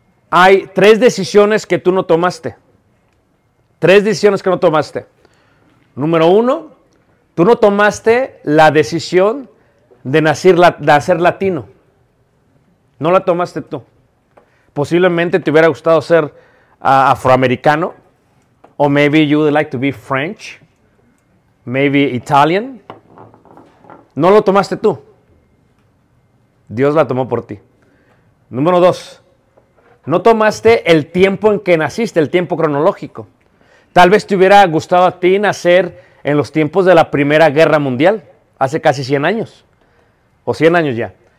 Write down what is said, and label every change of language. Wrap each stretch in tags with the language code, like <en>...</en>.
<es>Hay tres decisiones que tú no tomaste. Tres decisiones que no tomaste. Número uno. Tú no tomaste la decisión de nacer latino. No la tomaste tú. Posiblemente te hubiera gustado ser afroamericano.</es> <en>O maybe you would like to be French. Maybe Italian.</en> <es>No lo tomaste tú. Dios la tomó por ti. Número dos, no tomaste el tiempo en que naciste, el tiempo cronológico. Tal vez te hubiera gustado a ti nacer en los tiempos de la Primera Guerra Mundial, hace casi 100 años, o 100 años ya.</es>